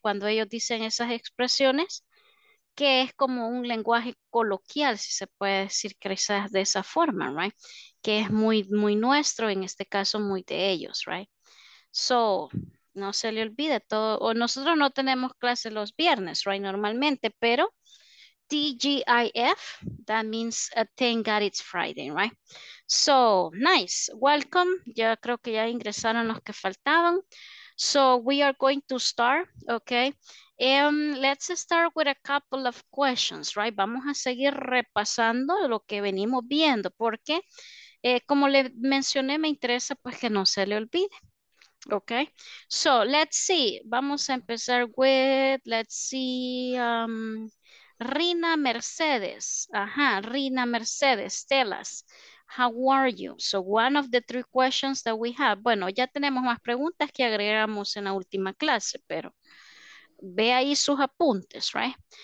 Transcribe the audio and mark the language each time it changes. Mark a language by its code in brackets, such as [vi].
[es] Cuando ellos dicen esas expresiones, que es como un lenguaje coloquial, si se puede decir quizás de esa forma, right? Que es muy, muy nuestro, en este caso muy de ellos, right? So, no se le olvide todo, o nosotros no tenemos clases los viernes, right? Normalmente, pero [en] TGIF, that means thank God it's Friday, right? So, nice, welcome. [es] Ya creo que ya ingresaron los que faltaban. [en] So, we are going to start, okay? And let's start with a couple of questions, right? [es] Vamos a seguir repasando lo que venimos viendo, porque como le mencioné, me interesa pues que no se le olvide. [en] Okay, so let's see, [es] vamos a empezar [en] with, let's see, Rina Mercedes, ajá, Rina Mercedes, tell us, how are you? So one of the three questions that we have, [es] bueno, ya tenemos más preguntas que agregamos en la última clase, pero ve ahí sus apuntes, right?